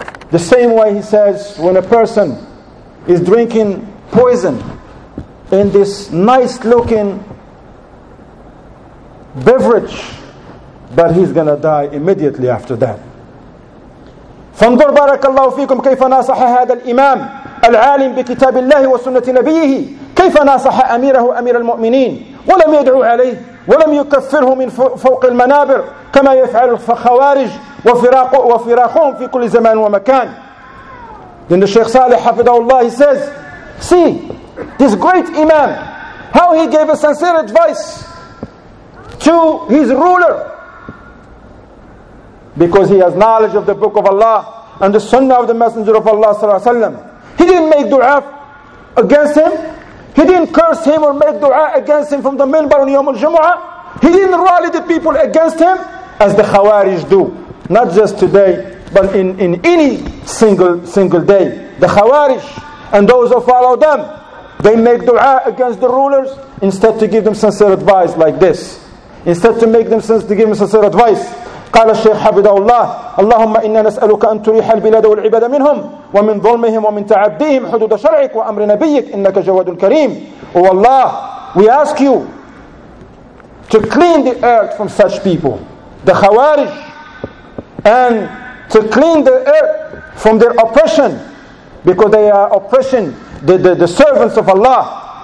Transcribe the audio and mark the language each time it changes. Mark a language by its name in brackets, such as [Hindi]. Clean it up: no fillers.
[English] The same way he says, when a person is drinking poison in this nice looking beverage, but he's going to die immediately after that. [Arabic] فانظر بارك الله فيكم كيف ناصح هذا الإمام العالم بكتاب الله وسنة نبيه كيف ناصح أميره أمير المؤمنين ولم يدعو عليه ولم يكفره من فوق المنابر كما يفعل الخوارج وفراقهم في كل زمان ومكان. [English] Then the Sheikh Saleh [Arabic] حفظه الله [English] says, see this great Imam, how he gave a sincere advice to his ruler, because he has knowledge of the Book of Allah and the Sunnah of the Messenger of Allah sallallahu alaihi wasallam. He didn't make dua against him. He didn't curse him or make dua against him from the minbar on Yawm al-Jumu'ah. He didn't rally the people against him as the Khawarij do. Not just today, but in any single day. The Khawarij and those who follow them, they make dua against the rulers instead to give them sincere advice like this. Instead to make them sense to give them sincere advice. [Arabic] قال الشيخ حفظه الله اللهم إنا نسألك أن تريح البلاد والعباد منهم ومن ظلمهم ومن تعديهم حدود شرعك وأمر نبيك إنك جواد كريم. [English] والله, we ask you to clean the earth from such people, the Khawarij, and to clean the earth from their oppression, because they are oppressing the servants of Allah.